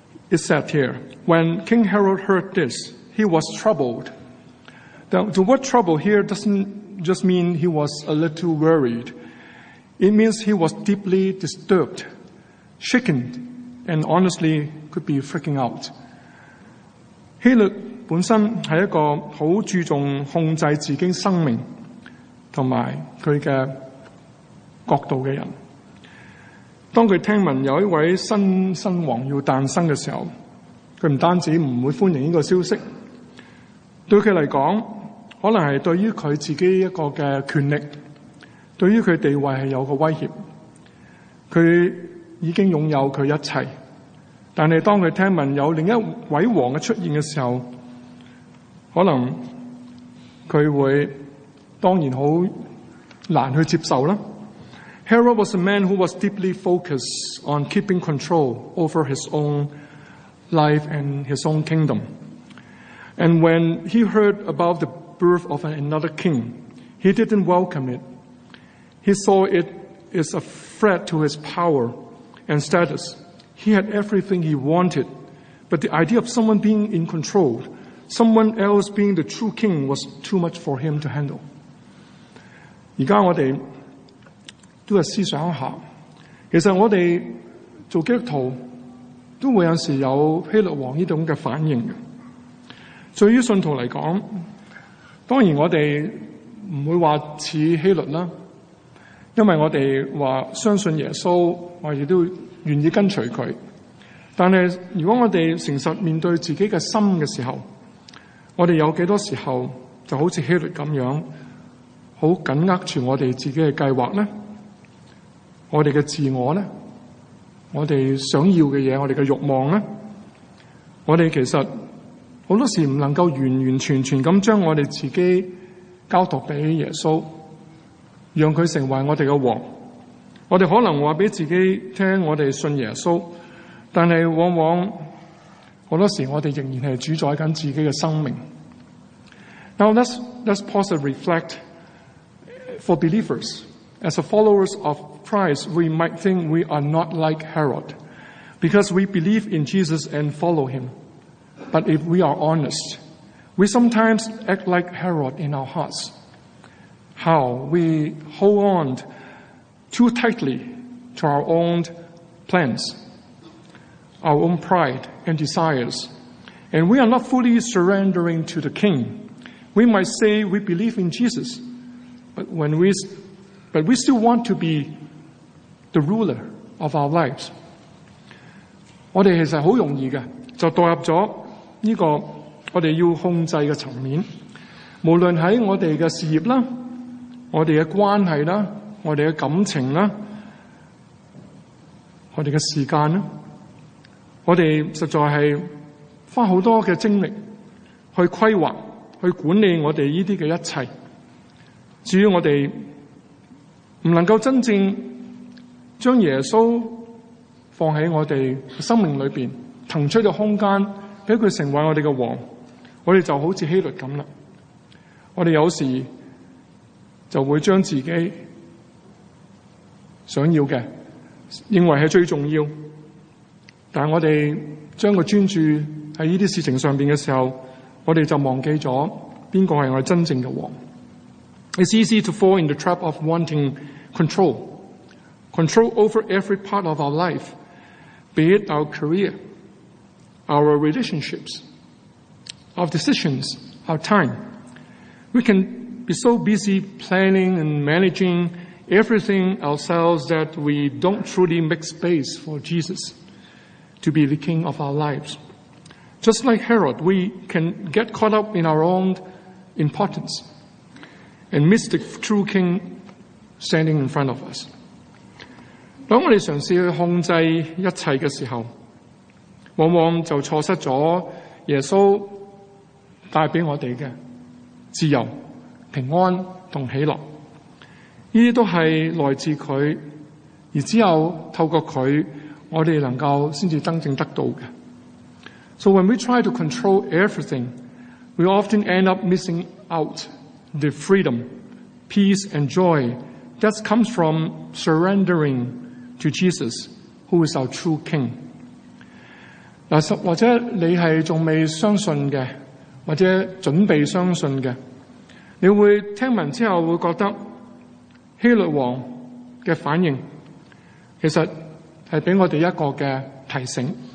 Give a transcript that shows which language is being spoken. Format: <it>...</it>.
<en>It said here, when King Herod heard this, he was troubled. Now, the word trouble here doesn't just mean he was a little worried. It means he was deeply disturbed, shaken, and honestly could be freaking out.</en> <zh>Herod本身是一个很注重控制自己生命和他的角度的人，当他听闻有一位新生王要诞生的时候，他不单止不会欢迎这个消息，对他来讲可能是对于他自己一个的权力，对于他地位是有个威胁，他已经拥有他一切，但是当他听闻有另一位王出现的时候，可能他会当然很难去接受。</zh> <en>Herod was a man who was deeply focused on keeping control over his own life and his own kingdom. And when he heard about the birth of another king, he didn't welcome it. He saw it as a threat to his power and status. He had everything he wanted, but the idea of someone being in controlSomeone else being the true king was too much for him to handle.</en> <zh>现在我们都要思想一下，其实我们做基督徒都会有时有希律王这种的反应。对于信徒来讲，当然我们不会说像希律，因为我们说相信耶稣，我们都愿意跟随他。但是如果我们诚实面对自己的心的时候，我们有多少时候就好像希律这样很紧握住我们自己的计划呢？我们的自我呢？我们想要的东西，我们的欲望呢？我们其实很多时候不能够完完全全地将我们自己交托给耶稣，让他成为我们的王。我们可能告诉自己听我们信耶稣，但是往往很多时候我们仍然是主宰着自己的生命。</zh> <en>Now let's pause and reflect. For believers, as a followers of Christ, we might think we are not like Herod because we believe in Jesus and follow him. But if we are honest, we sometimes act like Herod in our hearts. How? We hold on too tightly to our own plans, our own pride and desires. And we are not fully surrendering to the King. We might say we believe in Jesus, but we still want to be the ruler of our lives.</en> <zh>我们其实很容易的，就堕入了这个我们要控制的层面。无论在我们的事业、我们的关系、我们的感情、我们的时间，我们实在是花很多的精力去规划、去管理我们这些的一切。至于我们不能够真正将耶稣放在我们生命里面，腾出的空间给他成为我们的王，我们就好像希律那样，我们有时就会将自己想要的认为是最重要，但我们将个专注在这些事情上面的时候，我们就忘记了谁是我们真正的王。</zh> <en>It's easy to fall in the trap of wanting control. Control over every part of our life, be it our career, our relationships, our decisions, our time. We can be so busy planning and managing everything ourselves that we don't truly make space for Jesus to be the King of our lives. Just like Herod, we can get caught up in our own importance and miss the true King standing in front of us.</en> <zh>当我们尝试去控制一切的时候，往往就错失了耶稣带给我们的自由、平安和喜乐。这些都是来自祂，而只有透过祂，我们能够才真正得到的。</zh> <en>So when we try to control everything, we often end up missing out the freedom, peace and joy that comes from surrendering to Jesus, who is our true King.</en> <zh>或者你是还未相信的，或者准备相信的，你会听闻之后会觉得希律王的反应其实是给我们一个的提醒。</zh>